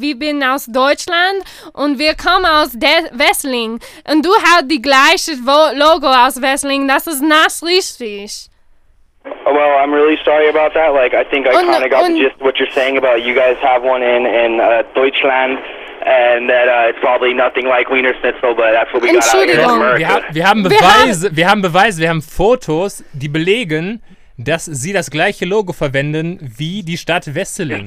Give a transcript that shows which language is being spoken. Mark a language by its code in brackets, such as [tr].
[de] Wir sind aus Deutschland und wir kommen aus Wesseling. Und du hast die gleiche Logo aus Wesseling. Das ist nicht richtig. [en] Well, I'm really sorry about that. Like, I think I kind of got the gist of what you're saying about you guys have one in Deutschland and that it's probably nothing like Wiener Schnitzel, but that's what we got out here in America. [de] Wir haben Beweise, wir haben Fotos, die belegen, dass sie das gleiche Logo verwenden wie die Stadt Wesseling.